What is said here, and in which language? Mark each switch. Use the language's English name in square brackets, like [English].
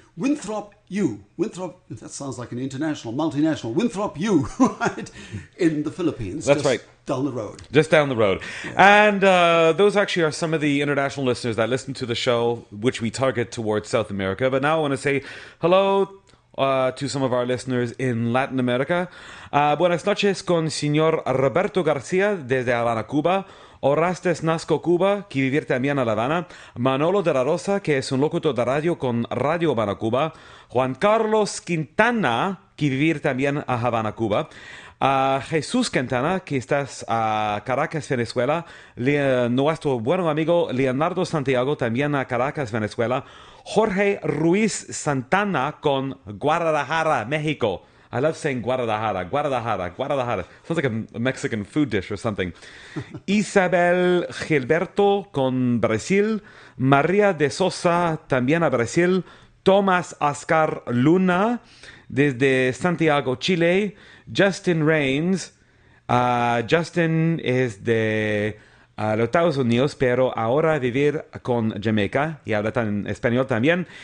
[English] Winthrop, that sounds like an international, multinational. Winthrop, you, right, in the Philippines. That's right. Down the road. Just down the road. Yeah. And those actually are some of the international listeners that listen to the show, which we target towards South America. But now I want to say hello To some of our listeners in Latin America. [Spanish] Buenas noches con señor Roberto García desde Havana, Cuba. Orastes Nasco Cuba, que vivir también a La Habana. Manolo de la Rosa, que es un locutor de radio con Radio Habana Cuba. Juan Carlos Quintana, que vivir también a Havana, Cuba. Jesús Quintana, que estás a Caracas, Venezuela. Nuestro buen amigo Leonardo Santiago, también a Caracas, Venezuela. Jorge Ruiz Santana con Guadalajara, México. [English] I love saying Guadalajara, Guadalajara, Guadalajara. Sounds like a Mexican food dish or something. [Spanish] Isabel Gilberto con Brasil. María de Sosa, también a Brasil. Tomás Oscar Luna, desde Santiago, Chile. Justin Reigns. Justin es de los Estados Unidos, pero ahora vivir con Jamaica y habla en español también.